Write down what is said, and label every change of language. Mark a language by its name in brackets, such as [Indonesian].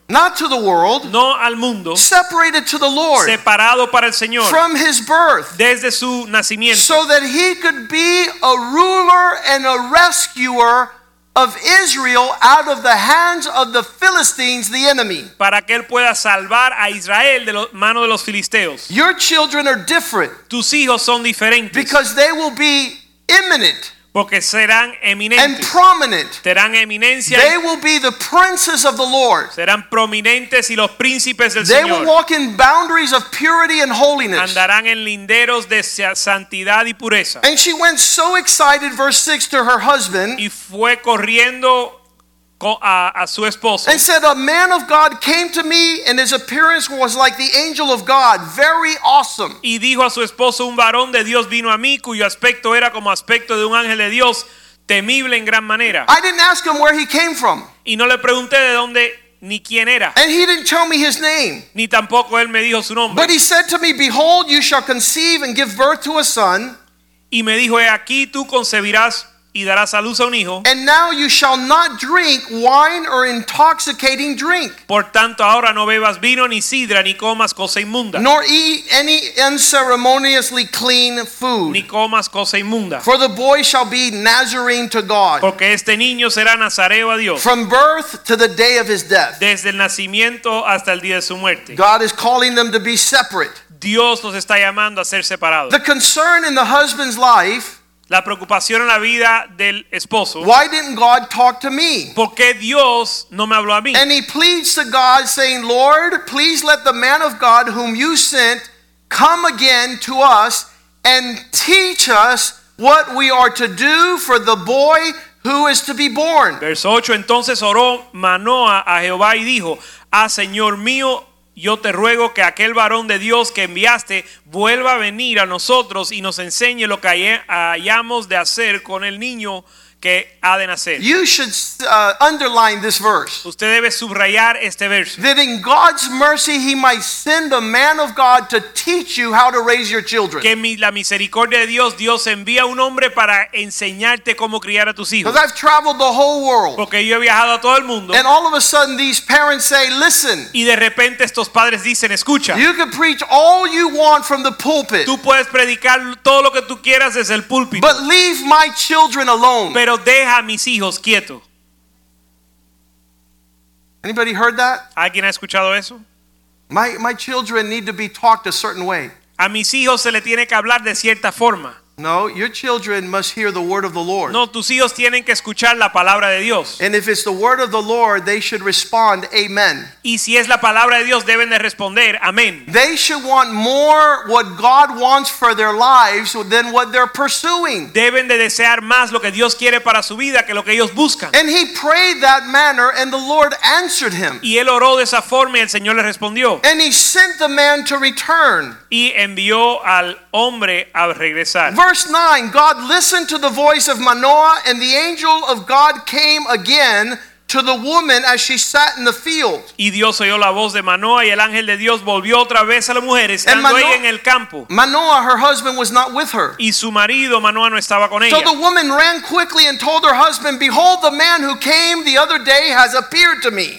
[English] Not to the world. [Spanish] No al mundo. [English] Separated to the Lord. [Spanish] Separado para el Señor. [English] From his birth. [Spanish] Desde su nacimiento. [English] So that he could be a ruler and a rescuer of Israel out of the hands of the Philistines, the enemy. [Spanish] Para que él pueda salvar a Israel de las manos de los filisteos. [English] Your children are different. [Spanish] Tus hijos son diferentes. [English] Because they will be imminent. [Spanish] porque serán eminentes [English] and prominent. [Spanish] Serán eminencia. [English] They will be the princes of the Lord. [Spanish] Serán prominentes y los príncipes del [English] they [Spanish] Señor. [English] They will walk in boundaries of purity and holiness. [Spanish] Andarán en linderos de santidad y pureza. [English] And she went so excited, verse 6, to her husband. [Spanish] Y fue corriendo a su esposo. [English] And said, "A man of God came to me, and his appearance was like the angel of God, very awesome." [Spanish] Y dijo a su esposo, un varón de Dios vino a mí, cuyo aspecto era como aspecto de un ángel de Dios, temible en gran manera. [English] I didn't ask him where he came from. [Spanish] Y no le pregunté de dónde ni quién era. [English] And he didn't tell me his name. [Spanish] Ni tampoco él me dijo su nombre. [English] But he said to me, "Behold, you shall conceive and give birth to a son." [Spanish] Y me dijo, he aquí, tú concebirás. Y darás a luz a un hijo. [English] And now you shall not drink wine or intoxicating drink. [Spanish] Por tanto, ahora no bebas vino ni sidra ni comas cosa inmunda. [English] Nor eat any unceremoniously clean food. [Spanish] Ni comas cosa inmunda. [English] For the boy shall be Nazarene to God. [Spanish] Porque este niño será nazareo a Dios. [English] From birth to the day of his death. [Spanish] Desde el nacimiento hasta el día de su muerte. [English] God is calling them to be separate. [Spanish] Dios los está llamando a ser separados. [English] The concern in the husband's life. [Spanish] La preocupación en la vida del esposo. [English] Why didn't God talk to me? [Spanish] ¿Por qué Dios no me habló a mí? [English] And he pleads to God saying, "Lord, please let the man of God whom you sent come again to us and teach us what we are to do for the boy who is to be born." [Spanish] Verso 8, entonces oró Manoa a Jehová y dijo, "Ah, Señor mío, yo te ruego que aquel varón de Dios que enviaste vuelva a venir a nosotros y nos enseñe lo que hayamos de hacer con el niño que ha de nacer." [English] You should underline this verse. [Spanish] Usted debe subrayar este verso. [English] That in God's mercy he might send a man of God to teach you how to raise your children. [Spanish] Que la misericordia de Dios, Dios envía un hombre para enseñarte cómo criar a tus hijos. [English] Because I've traveled the whole world. [Spanish] Porque yo he viajado a todo el mundo. [English] And all of a sudden these parents say, "Listen." [Spanish] Y de repente estos padres dicen, "Escucha." [English] You can preach all you want from the pulpit. [Spanish] Tú puedes predicar todo lo que tú quieras desde el púlpito. [English] But leave my children alone. [Spanish] Pero deja a mis hijos quietos. [English] Anybody heard that? [Spanish] ¿Alguien ha escuchado eso? [English] My children need to be talked a certain way. [Spanish] A mis hijos se le tiene que hablar de cierta forma. [English] No, your children must hear the word of the Lord. [Spanish] No, tus hijos tienen que escuchar la palabra de Dios. [English] And if it's the word of the Lord, they should respond, "Amen." [Spanish] Y si es la palabra de Dios, deben de responder, "Amén." [English] They should want more what God wants for their lives than what they're pursuing. [Spanish] Deben de desear más lo que Dios quiere para su vida que lo que ellos buscan. [English] And he prayed that manner, and the Lord answered him. [Spanish] Y él oró de esa forma y el Señor le respondió. [English] And he sent the man to return. [Spanish] Y envió al hombre a regresar. [English] Verse 9, God listened to the voice of Manoah, and the angel of God came again to the woman as she sat in the field. [Spanish] Y Dios oyó la voz de Manoah, y el ángel de Dios volvió otra vez a la mujer, estando ella en el campo. [English] Manoah, her husband, was not with her. [Spanish] Y su marido, Manoah, no estaba con ella. [English] So the woman ran quickly and told her husband, "Behold, the man who came the other day has appeared to me."